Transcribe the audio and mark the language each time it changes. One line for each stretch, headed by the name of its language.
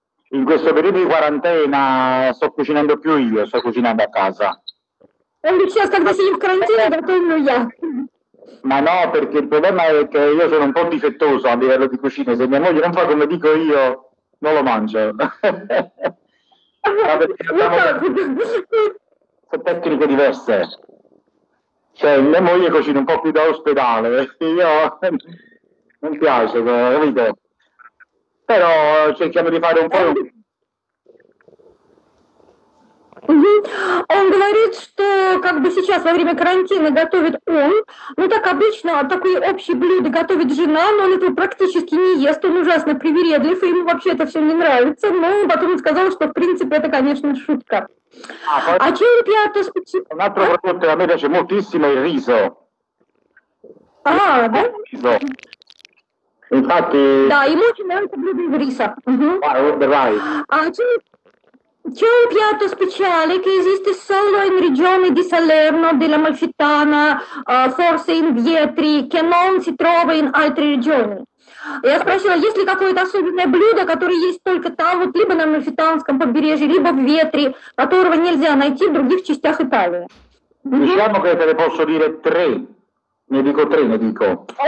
Italian: In questo periodo di quarantena sto cucinando più io, sto cucinando a casa.
Russian: Сейчас, когда сидим в карантине, готовлю я.
Italian: Ma no, perché il problema è che io sono un po' difettoso a livello di cucina. Se mia moglie non fa come dico io, non lo mangio. Sono tecniche diverse. Cioè, mia moglie cucina un po' più da ospedale. Io non piace, capito? Però cerchiamo di fare un po'...
Russian: Он говорит, что как бы сейчас во время карантина готовит он, ну так обычно, такое общее блюдо готовит жена, но он этого практически не ест, он ужасно привередлив, и ему вообще это все не нравится, но потом он сказал, что в принципе это, конечно, шутка. А чем пиато специально?
Italian: Un altro prodotto, a me piace moltissimo il riso.
Russian: Ага, да?
Italian: Infatti...
Russian: Да, ему очень нравится блюдо из риса. Давай. А чем...
Italian: C'è un piatto speciale che esiste solo in regione di Salerno, della Amalfitana, forse in Vietri, che non si trova in altre regioni. E ho
Russian: спросила, есть ли какое-то особенное блюдо, которое есть только там, вот, либо на Амальфитанском побережье, либо в Вьетри, которого нельзя найти в других частях Италии.
Italian: Diciamo che te le posso dire tre. Ne dico tre, ne dico.